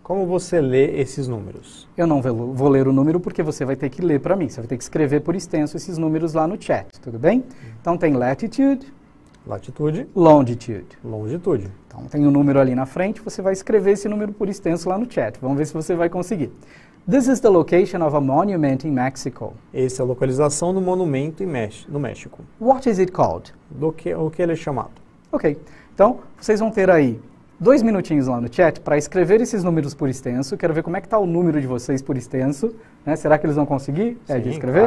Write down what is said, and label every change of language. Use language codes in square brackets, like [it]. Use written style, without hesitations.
[pt] Como você lê esses números? Eu não vou ler o número porque você vai ter que ler para mim. Você vai ter que escrever por extenso esses números lá no chat, tudo bem? Então, tem latitude. Latitude. Longitude. Longitude. Então, tem um número ali na frente, você vai escrever esse número por extenso lá no chat. Vamos ver se você vai conseguir. [en] This is the location of a monument in Mexico. [pt] Essa é a localização do monumento no México. [en] What is it called? [pt] O que ele é chamado. [en] Ok. [pt] Então, vocês vão ter aí 2 minutinhos lá no chat para escrever esses números por extenso. Quero ver como é que está o número de vocês por extenso. Né? Será que eles vão conseguir de escrever?